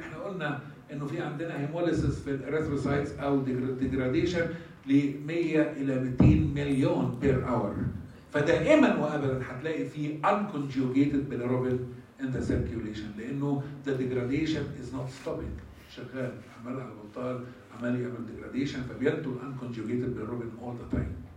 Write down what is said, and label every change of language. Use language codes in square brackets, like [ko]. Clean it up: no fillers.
[ar] احنا قلنا انه في عندنا هيموليسيس في الاريثروسايتس او ديجراديشن ل 100 الى 200 مليون بير اور. فدائما وابدا هتلاقي فيه [en] unconjugated bilirubin in the circulation [ar] لانه [en] the degradation is not stopping. [ar] شغال عمال على البطال عمال يعمل degradation فبينتج unconjugated bilirubin [en] all the time.